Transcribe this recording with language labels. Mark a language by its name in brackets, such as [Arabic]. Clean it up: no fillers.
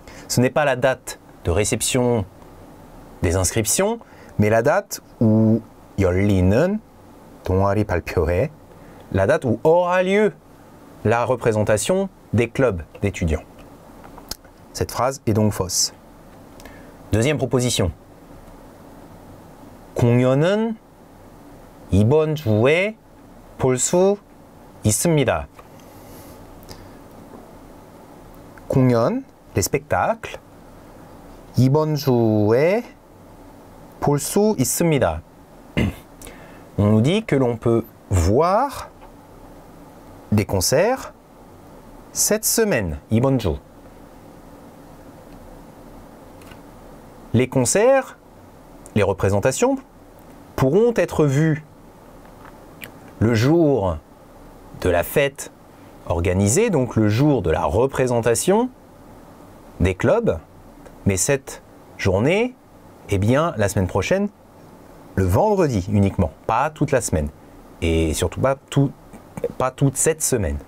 [French] Ce n'est pas la date de réception des inscriptions, mais la date où [Korean] 열리는 동아리 발표회, [French] la date où aura lieu la représentation des clubs d'étudiants. Cette phrase est donc fausse. Deuxième proposition. [Korean] 공연은 이번 주에 볼 수 있습니다. 공연, [French] les spectacles, [Korean] 이번 주에 볼 수 있습니다. [French] On nous dit que l'on peut voir des concerts cette semaine, [Korean] 이번 주. [French] Les concerts, les représentations, pourront être vus le jour de la fête organisée, donc le jour de la représentation des clubs, mais cette journée, eh bien, la semaine prochaine, le vendredi uniquement, pas toute la semaine, et surtout pas toute cette semaine.